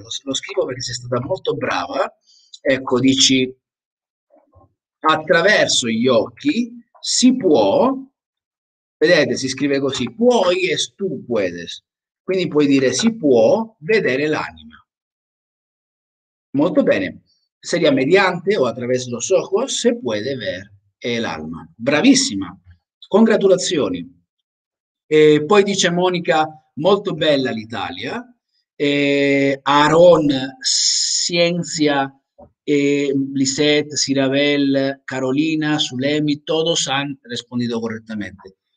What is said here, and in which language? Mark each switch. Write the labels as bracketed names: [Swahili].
[Italian] Lo scrivo perché sei stata molto brava. Ecco, dici: attraverso gli occhi. Si può, vedete, si scrive così, puoi e tu puedes. Quindi puoi dire si può vedere l'anima. Molto bene. [Spanish] Sería mediante o attraverso los ojos, se puede ver l'alma. [Italian] Bravissima. Congratulazioni. E poi dice Monica, molto bella l'Italia. [Spanish] Aaron, Scienza. Lisette, Sirabel, Carolina, Sulemi, todos han respondido correttamente.